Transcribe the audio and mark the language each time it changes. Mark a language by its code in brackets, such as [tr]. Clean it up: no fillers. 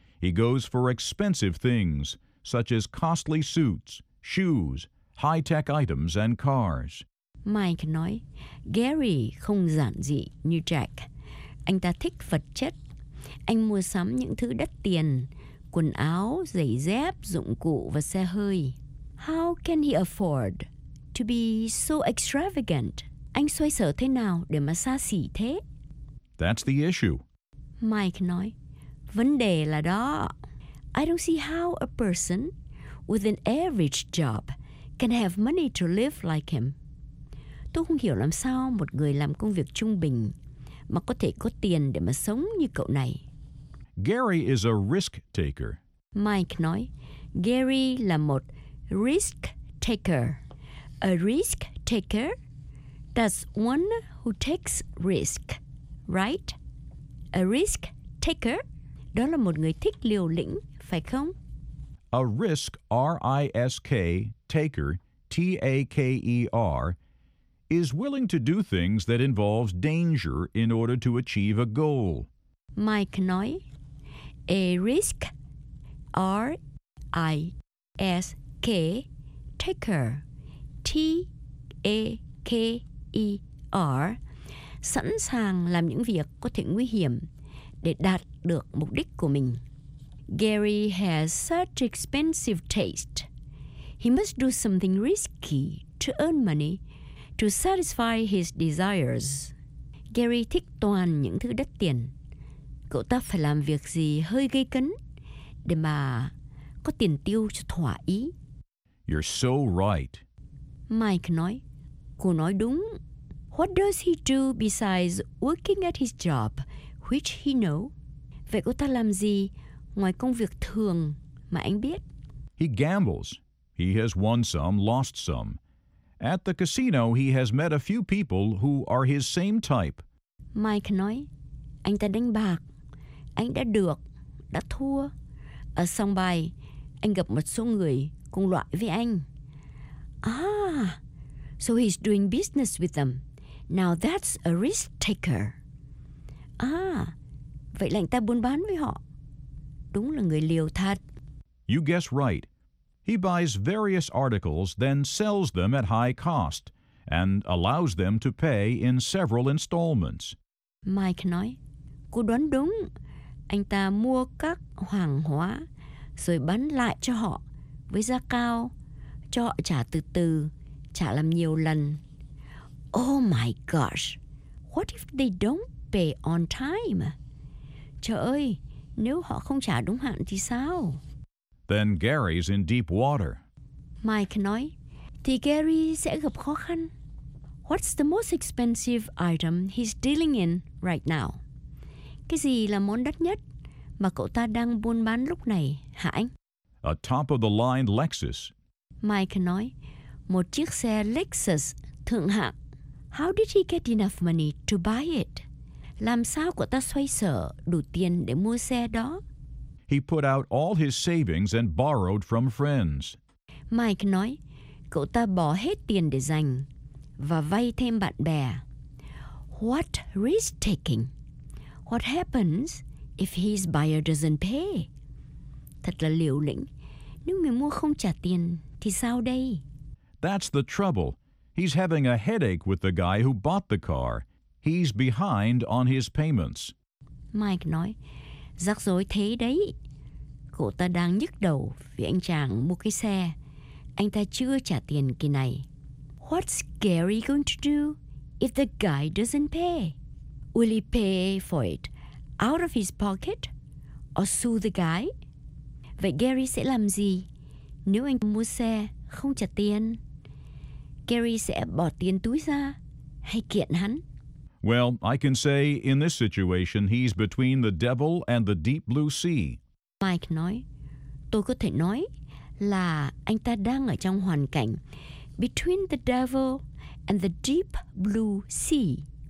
[en] He goes for expensive things, such as costly suits, shoes, high-tech items, and cars. [vi] Mike nói, Gary không giản dị như Jack. Anh ta thích vật chất. Anh mua sắm những thứ đắt tiền, quần áo, giày dép, dụng cụ và xe hơi. [en] How can he afford to be so extravagant? [vi] Anh xoay sở thế nào để mà xa xỉ thế? [en] That's the issue. [vi] Mike nói, vấn đề là đó. [en] I don't see how a person with an average job can have money to live like him. [vi] Tôi không hiểu làm sao một người làm công việc trung bình mà có thể có tiền để mà sống như cậu này. [en] Gary is a risk taker. [vi] Mike nói, Gary là một risk taker. [en] A risk taker, that's one who takes risk, right? A risk taker, [vi] đó là một người thích liều lĩnh, phải không? [en] A risk, R-I-S-K, taker, T-A-K-E-R, is willing to do things that involves danger in order to achieve a goal. [vi] Mike nói, [en] a risk, R-I-S-K, taker, T-A-K-E-R, [vi] sẵn sàng làm những việc có thể nguy hiểm để đạt được mục đích của mình. [en] Gary has such expensive taste. He must do something risky to earn money to satisfy his desires. [vi] Gary thích toàn những thứ đắt tiền. Cậu ta phải làm việc gì hơi gây cấn để mà có tiền tiêu cho thỏa ý. [en] You're so right. [vi] Mike nói, cô nói đúng. [en] What does he do besides working at his job, which he knows? [vi] Vậy cô ta làm gì ngoài công việc thường mà anh biết? [en] He gambles. He has won some, lost some. At the casino, he has met a few people who are his same type. [vi] Mike nói, anh ta đánh bạc. Anh đã được, đã thua. Ở sòng bài, anh gặp một số người cùng loại với anh. [en] Ah, so he's doing business with them. Now that's a risk taker. [vi] Ah, vậy là anh ta buôn bán với họ. Đúng là người liều thật. [en] You guess right. He buys various articles, then sells them at high cost, and allows them to pay in several installments. [vi] Mike nói, cô đoán đúng. Anh ta mua các hàng hóa, rồi bán lại cho họ với giá cao, cho họ trả từ từ, trả làm nhiều lần. [en] Oh my gosh, what if they don't pay on time? [vi] Trời ơi, nếu họ không trả đúng hạn thì sao? [en] Then Gary's in deep water. [vi] Mike nói, thì Gary sẽ gặp khó khăn. [en] What's the most expensive item he's dealing in right now? [vi] Cái gì là món đắt nhất mà cậu ta đang buôn bán lúc này, hả anh? [en] A top-of-the-line Lexus. [vi] Mike nói, một chiếc xe Lexus thượng hạng. [en] How did he get enough money to buy it? [vi] Làm sao cậu ta xoay sở đủ tiền để mua xe đó? [en] He put out all his savings and borrowed from friends. [vi] Mike nói, cậu ta bỏ hết tiền để dành và vay thêm bạn bè. [en] What risk taking? What happens if his buyer doesn't pay? [vi] Thật là liều lĩnh. Nếu người mua không trả tiền, thì sao đây? [en] That's the trouble. He's having a headache with the guy who bought the car. He's behind on his payments. [vi] Mike nói, rắc rối thế đấy. Cậu ta đang nhức đầu vì anh chàng mua cái xe. Anh ta chưa trả tiền kỳ này. [en] What's Gary going to do if the guy doesn't pay? Will he pay for it out of his pocket or sue the guy? [vi] Vậy Gary sẽ làm gì nếu anh mua xe không trả tiền? Gary sẽ bỏ tiền túi ra hay kiện hắn? [en] Well, I can say in this situation he's between the devil and the deep blue sea. [vi] Mike nói, tôi có thể nói là anh ta đang ở trong hoàn cảnh [en] between the devil and the deep blue sea.